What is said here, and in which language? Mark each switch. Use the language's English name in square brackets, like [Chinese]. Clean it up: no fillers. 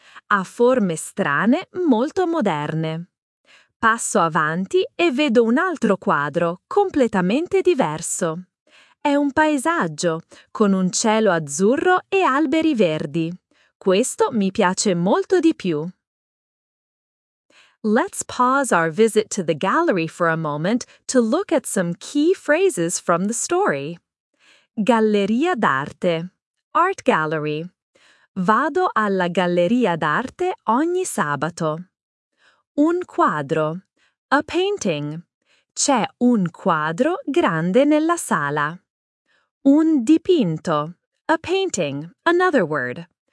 [Italian] Ha forme strane, molto moderne. Passo avanti e vedo un altro quadro, completamente diverso. È un paesaggio, con un cielo azzurro e alberi verdi. Questo mi piace molto di più. [English] Let's pause our visit to the gallery for a moment to look at some key phrases from the story. [Italian] Galleria d'arte. [English] Art gallery. [Italian] Vado alla galleria d'arte ogni sabato. Un quadro. [English] A painting. [Italian] C'è un quadro grande nella sala. Un dipinto. [English] A painting. Another word.